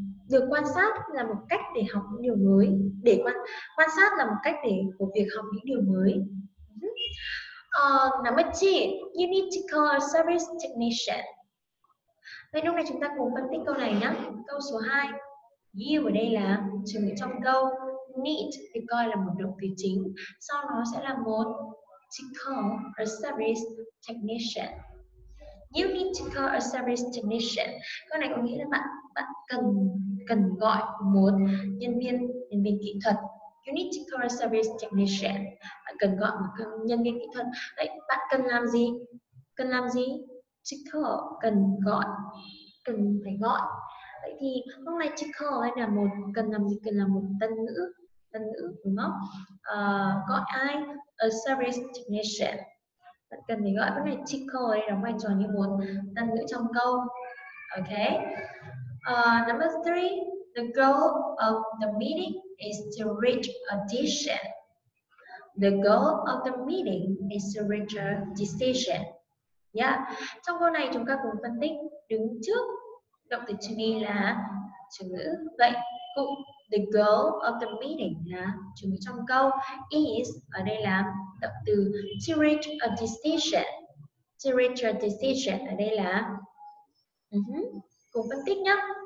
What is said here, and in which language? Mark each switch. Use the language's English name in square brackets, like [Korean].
[Vietnamese] Được quan sát là một cách để học những điều mới, để quan sát là một cách để của việc học những điều mới. [English] Number two, you need to call a service technician. [Vietnamese] Vậy lúc này chúng ta cùng phân tích câu này nhé. Câu số 2, you ở đây là chủ ngữ trong câu, need thì coi là một động từ chính, sau nó sẽ là một [English] to call a service technician. You need to call a service technician. [Vietnamese] Câu này có nghĩa là bạn bạn cần cần gọi một nhân viên kỹ thuật. [English] You need to call a service technician. [Vietnamese] Bạn cần gọi một nhân viên kỹ thuật. Đấy, bạn cần làm gì? Cần làm gì? [English] To call, [Vietnamese] cần gọi, cần phải gọi. Vậy thì lúc này to call hay là một cần làm gì, cần là một tân ngữ đúng không? Gọi ai? [English] A service technician. [Vietnamese] Bạn cần phải gọi cái này to call đây, đóng vai trò như một tân ngữ trong câu. [English] Ok, number three, the goal of the meeting is to reach a decision. The goal of the meeting is to reach a decision. [Vietnamese] Trong câu này chúng ta cùng phân tích đứng trước động từ to be là chủ ngữ. Vậy cũng [English] the goal of the meeting [Vietnamese] là chủ ngữ trong câu, is ở đây là động từ [English] to reach a decision. To reach a decision [Vietnamese] ở đây là cùng phân tích nhá.